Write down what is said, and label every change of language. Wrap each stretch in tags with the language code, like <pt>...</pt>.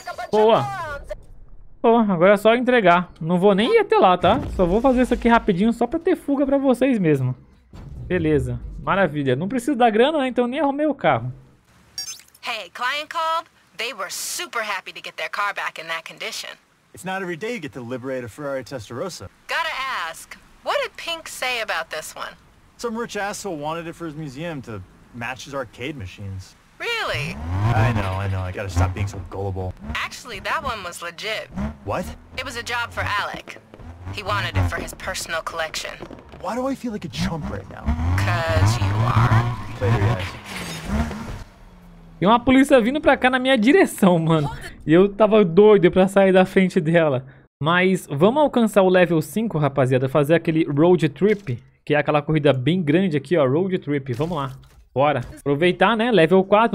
<pt>Boa. Pô, agora é só entregar. Não vou nem ir até lá, tá? Só vou fazer isso aqui rapidinho só pra ter fuga pra vocês mesmo. Beleza. Maravilha. Não preciso da grana, né? Então nem arrumei o carro.</pt> <en>Hey, client called. They were super happy to get their car back in that condition. It's not every day you get to liberate a Ferrari Testarossa. Gotta ask, what did Pink say about this one? Some rich asshole wanted it for his museum to match his arcade machines. Really? I know, I gotta stop being so gullible. Actually, that one was legit. What? It was a job for Alec. He wanted it for his personal collection. Why do I feel like a chump right now? Cause you are. Later, guys.</en> <pt>Tem uma polícia vindo pra cá na minha direção, mano. E eu tava doido pra sair da frente dela. Mas vamos alcançar o level 5, rapaziada. Fazer aquele road trip. Que é aquela corrida bem grande aqui, ó. Road trip. Vamos lá. Bora. Aproveitar, né? Level 4.</pt>